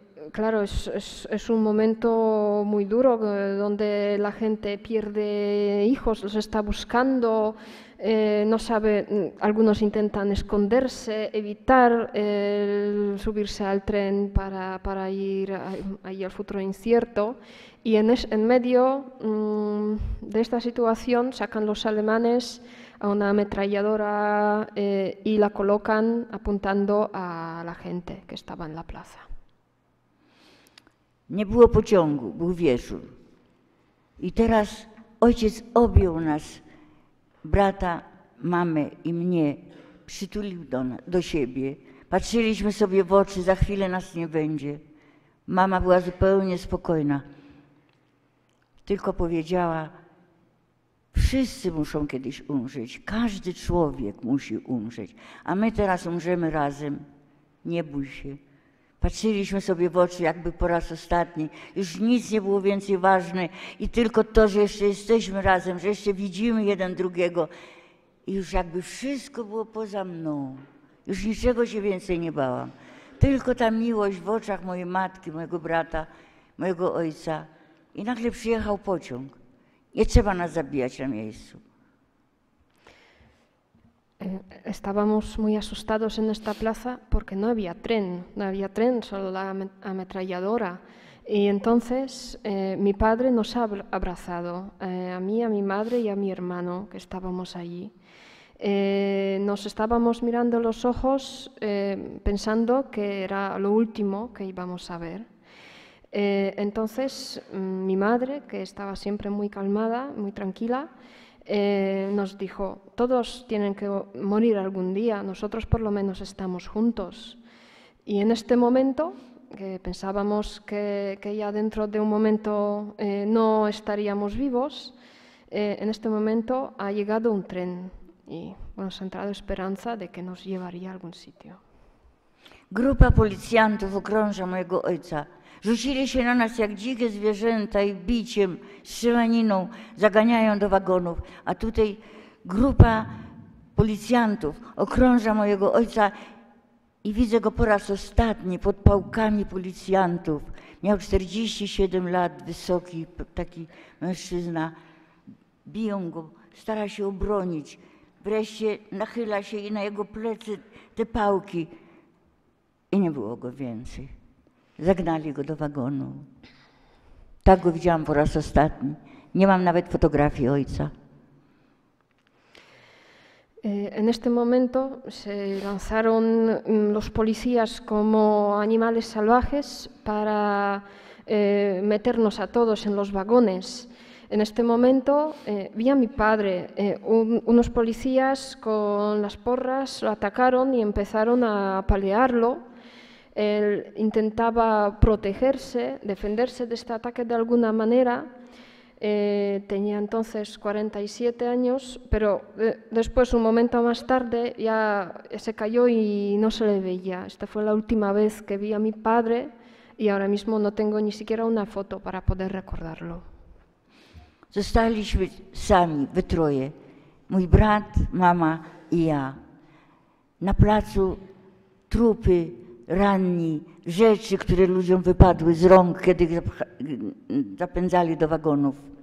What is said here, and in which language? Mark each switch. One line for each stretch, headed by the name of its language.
Spanish: Claro, es un momento muy duro donde la gente pierde hijos, los está buscando, no sabe, algunos intentan esconderse, evitar subirse al tren para ir ahí al futuro incierto. Y en medio de esta situación sacan los alemanes a una ametralladora y la colocan apuntando a la gente que estaba en la plaza.
Polish: Nie było pociągu, był wieczór. I teraz ojciec objął nas, brata, mamę i mnie, przytulił do siebie. Patrzyliśmy sobie w oczy, za chwilę nas nie będzie. Mama była zupełnie spokojna. Tylko powiedziała, wszyscy muszą kiedyś umrzeć, każdy człowiek musi umrzeć. A my teraz umrzemy razem, nie bój się. Patrzyliśmy sobie w oczy, jakby po raz ostatni. Już nic nie było więcej ważne i tylko to, że jeszcze jesteśmy razem, że jeszcze widzimy jeden drugiego. I już jakby wszystko było poza mną. Już niczego się więcej nie bałam. Tylko ta miłość w oczach mojej matki, mojego brata, mojego ojca. I nagle przyjechał pociąg. Nie trzeba nas zabijać na miejscu.
Spanish: Estábamos muy asustados en esta plaza porque no había tren, solo la ametralladora. Y entonces mi padre nos ha abrazado, a mí, a mi madre y a mi hermano que estábamos allí. Nos estábamos mirando los ojos pensando que era lo último que íbamos a ver. Entonces mi madre, que estaba siempre muy calmada, muy tranquila, nos dijo, todos tienen que morir algún día, nosotros por lo menos estamos juntos. Y en este momento, que pensábamos que ya dentro de un momento no estaríamos vivos, en este momento ha llegado un tren y nos ha entrado esperanza de que nos llevaría a algún sitio.
Polish: Grupa policjantów okrąża mojego ojca. Rzucili się na nas jak dzikie zwierzęta i biciem, strzelaniną zaganiają do wagonów. A tutaj grupa policjantów okrąża mojego ojca i widzę go po raz ostatni pod pałkami policjantów. Miał 47 lat, wysoki taki mężczyzna. Biją go, stara się obronić. Wreszcie nachyla się i na jego plecy te pałki. I nie było go więcej. Zagnali go do wagonu. Tak go widziałam po raz ostatni. Nie mam nawet fotografii ojca.
Spanish: En este momento se lanzaron los policías como animales salvajes para meternos a todos en los vagones. En este momento vi a mi padre. Unos policías con las porras lo atacaron y empezaron a apalearlo. Él intentaba protegerse, defenderse de este ataque de alguna manera. Tenía entonces 47 años, pero después, un momento más tarde, ya se cayó y no se le veía. Esta fue la última vez que vi a mi padre y ahora mismo no tengo ni siquiera una foto para poder recordarlo.
Polish: Zostaliśmy sami, we troje. Mój brat, mama i ja. Na placu trupy. Ranni, rzeczy, które ludziom wypadły z rąk, kiedy zapędzali do wagonów.